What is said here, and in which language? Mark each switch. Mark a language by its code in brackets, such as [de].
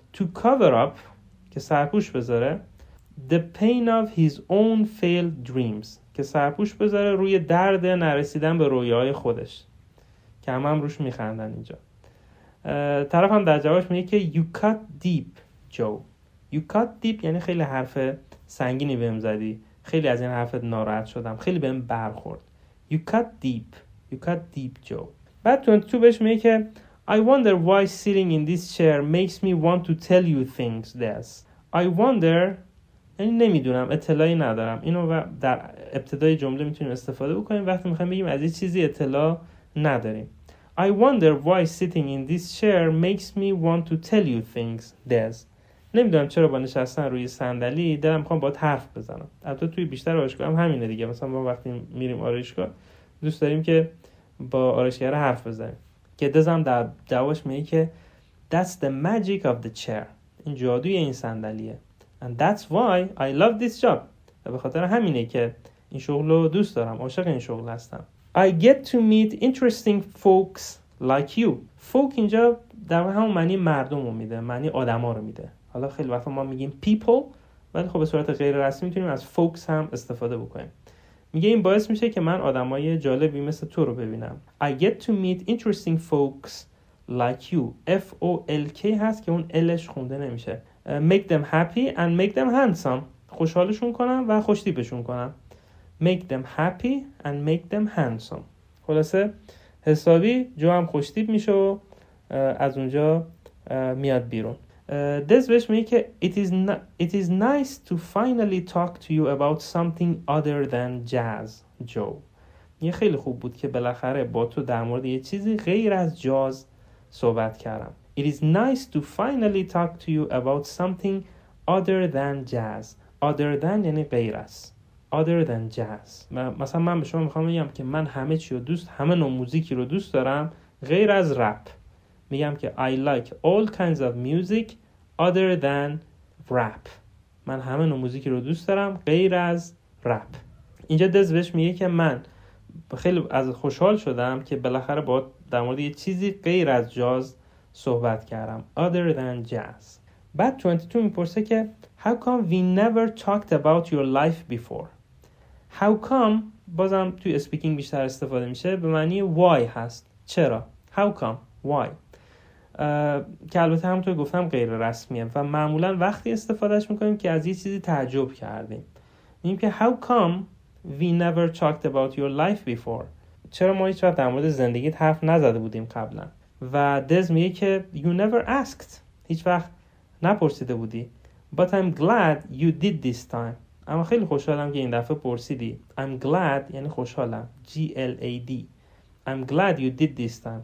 [en] To cover up [fa] که سرپوش بذاره [en] the pain of his own failed dreams، [fa] که سرپوش بذاره روی درد نرسیدن به رویاهای خودش، که هم روش میخندن اینجا. طرف هم در جوابش میگه که [en] You cut deep, Joe. [fa] You cut deep یعنی خیلی حرف سنگینی بهم زدی، خیلی از این حرفت ناراحت شدم، خیلی بهم برخورد. [en] You cut deep. You cut deep, Joe. [fa] بعد 22 بهش میگه که [en] I wonder why sitting in this chair makes me want to tell you things this. [fa] I wonder یعنی نمیدونم، اطلاعی ندارم. اینو در ابتدای جمله میتونیم استفاده بکنیم وقتی میخوایم بگیم از یه چیزی اطلاع نداریم. [en] I wonder why sitting in this chair makes me want to tell you things this. [fa] نمیدونم چرا با نشستن روی صندلی دلم میخوام باهات حرف بزنم. البته توی بیشتر آرایشگاه هم همینه دیگه، مثلا ما وقتی میریم آرایشگاه دوست داریم که با آرایشگر حرف بزنیم. که دزم در دعواش میگه که [en] That's the magic of the chair. [fa] این جادوی این صندلیه. [en] And that's why I love this job. [fa] و به خاطر همینه که این شغلو دوست دارم، عاشق این شغل هستم. [en] I get to meet interesting folks like you. [fa] Folk اینجا در همون معنی مردم رو میده، معنی آدما رو میده. حالا خیلی وقتا ما میگیم people، ولی خب به صورت غیر رسمی میتونیم از folks هم استفاده بکنیم. میگه این باعث میشه که من آدمای جالبی مثل تو رو ببینم. [en] I get to meet interesting folks like you. [fa] F-O-L-K هست که اون Lش خونده نمیشه. [en] Make them happy and make them handsome. [fa] خوشحالشون کنم و خوشتیپشون کنم. [en] Make them happy and make them handsome. [fa] خلاصه حسابی جو هم خوشتیپ میشه و از اونجا میاد بیرون. دز بهش میگه که [en] It is nice to finally talk to you about something other than jazz, Joe. [fa] یه خیلی خوب بود که بالاخره با تو در مورد یه چیزی غیر از جاز صحبت کردم. [en] It is nice to finally talk to you about something other than jazz. Other than [fa] یعنی غیر از. [en] Other than jazz. [fa] مثلا من به شما میخوام بگم که من همه چی رو دوست، همه نوع موزیکی رو دوست دارم غیر از رپ. میگم که [en] I like all kinds of music other than rap. [fa] من همه نوع موزیکی رو دوست دارم غیر از رپ. اینجا دز بهش میگه که من خیلی از خوشحال شدم که بالاخره با در مورد یه چیزی غیر از جاز صحبت کردم. [en] Other than jazz. [fa] بعد 22 میپرسه که [en] How come we never talked about your life before? [fa] How come بازم توی speaking بیشتر استفاده میشه، به معنی why هست. چرا؟ [en] How come? Why? [fa] که البته همونطور گفتم غیر رسمیه و معمولا وقتی استفادهش میکنیم که از یه چیزی تعجب کردیم. میگیم که [en] How come we never talked about your life before? [fa] چرا ما هیچ وقت در مورد زندگیت حرف نزده بودیم قبلا؟ و دز میگه که [en] You never asked. [fa] هیچ وقت نپرسیده بودی. [en] But I'm glad you did this time. [fa] اما خیلی خوشحالم که این دفعه پرسیدی. [en] I'm glad [fa] یعنی خوشحالم. [en] GLAD. I'm glad you did this time.